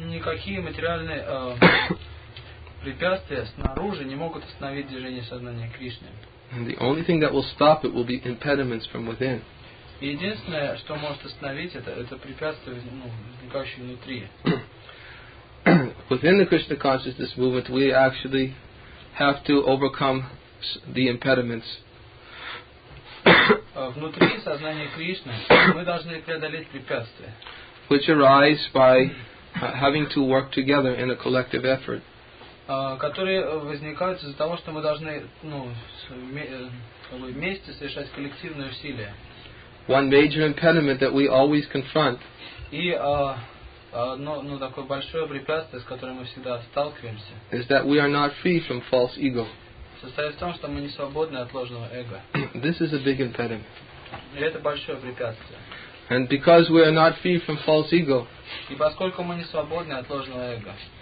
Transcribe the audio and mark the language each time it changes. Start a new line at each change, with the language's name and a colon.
Russian: какие материальные препятствия снаружи не могут остановить движение сознания Кришны.
English: And the only thing that will stop it will be impediments from within.
Russian: Единственное, что может остановить это препятствие, возникающее внутри.
English: Within the Krishna consciousness movement, we actually have to overcome the impediments.
Russian: Внутри сознания Кришны мы должны преодолеть препятствия.
English: Which arise by having to work together in a collective effort.
Russian: Которые возникают из-за того, что мы должны, вместе совершать коллективные усилия.
English: One major impediment that we always confront.
Russian: И такое большое препятствие, с которым мы всегда сталкиваемся.
English: Is that we are not free from false ego.
Russian: Состоит в том, что мы не свободны от ложного эго.
English: This is a big impediment.
Russian: И это большое препятствие.
English: And because we are not free from false ego,
Russian: и поскольку мы не свободны от ложного эго,